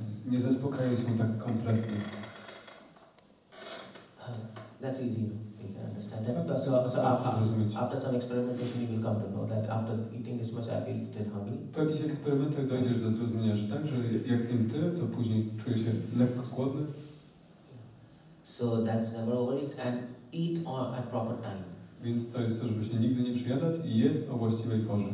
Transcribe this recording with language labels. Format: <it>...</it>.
<pl>Nie zaspokajaj się tak kompletnie.</pl> <en>That's easy, you can understand that. So after some experimentation, you will come to know that after eating this much, I feel still hungry.</en> <pl>Po jakichś eksperymentach dojdziesz do zrozumienia, że tak, że jak zjem ty, to później czuję się lekko głodny.</pl> <en>So that's never overeat and eat on at proper time.</en> <pl>Więc to jest to, żeby się nigdy nie przejadać i jedz o właściwej porze.</pl>